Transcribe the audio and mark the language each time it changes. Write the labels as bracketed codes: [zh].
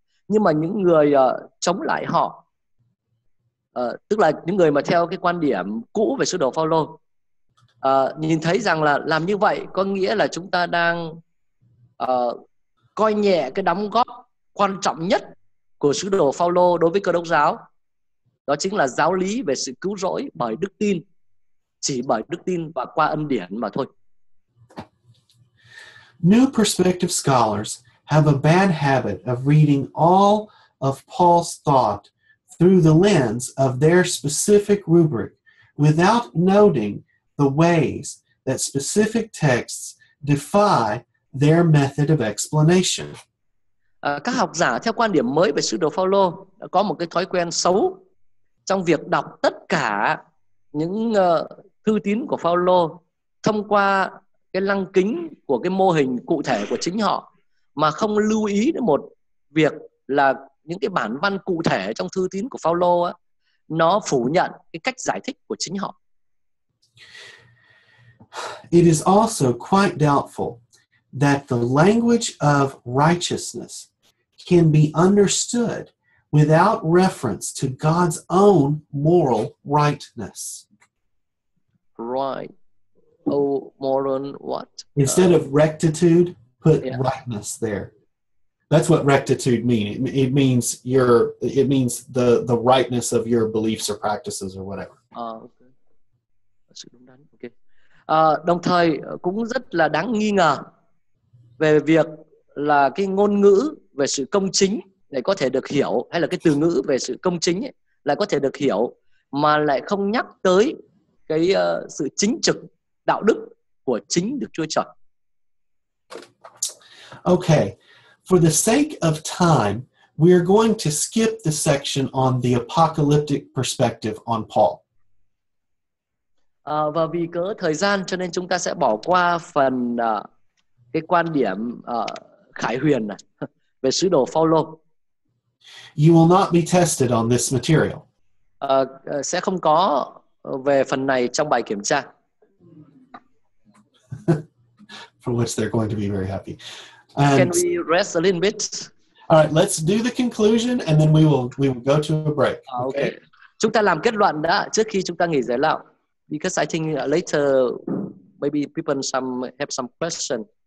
[vi] Nhưng mà những người chống lại họ, tức là những người mà theo cái quan điểm cũ về sứ đồ Phaolô, nhìn thấy rằng là làm như vậy có nghĩa là chúng ta đang coi nhẹ cái đóng góp quan trọng nhất của sứ đồ Phaolô đối với cơ đốc giáo, đó chính là giáo lý về sự cứu rỗi bởi đức tin, chỉ bởi đức tin và qua ân điển mà thôi. [en] New Perspective scholars have a bad habit of reading all of Paul's thought through the lens of their specific rubric without noting the ways that specific texts defy their method of explanation. [vi] Các học giả theo quan điểm mới về sứ đồ Phaolô có một cái thói quen xấu trong việc đọc tất cả những thư tín của Phaolô thông qua cái lăng kính của cái mô hình cụ thể của chính họ, mà không lưu ý đến một việc là những cái bản văn cụ thể trong thư tín của Phaolô á, nó phủ nhận cái cách giải thích của chính họ. [en] It is also quite doubtful that the language of righteousness can be understood without reference to God's own moral rightness. Right. Oh, moral what? Instead of rectitude, put yeah. rightness there. That's what rectitude means. It means your. It means the rightness of your beliefs or practices or whatever. [vi] Okay. Sự đúng đắn. Okay. Đồng thời cũng rất là đáng nghi ngờ về việc là cái ngôn ngữ về sự công chính này có thể được hiểu, hay là cái từ ngữ về sự công chính ấy, lại có thể được hiểu mà lại không nhắc tới cái sự chính trực đạo đức của chính Đức Chúa Trời. [en] Okay, for the sake of time, we are going to skip the section on the apocalyptic perspective on Paul. [vi] Và vì cớ thời gian cho nên chúng ta sẽ bỏ qua phần cái quan điểm khải huyền này về sứ đồ Phaolô. [en] You will not be tested on this material. [vi] Sẽ không có về phần này trong bài kiểm tra. [en] For which they're going to be very happy. And, can we rest a little bit? All right, let's do the conclusion and then we will go to a break. Okay. [vi] Chúng ta làm kết luận đã trước khi chúng ta nghỉ giải lao. [en] Because I think later maybe people have some question.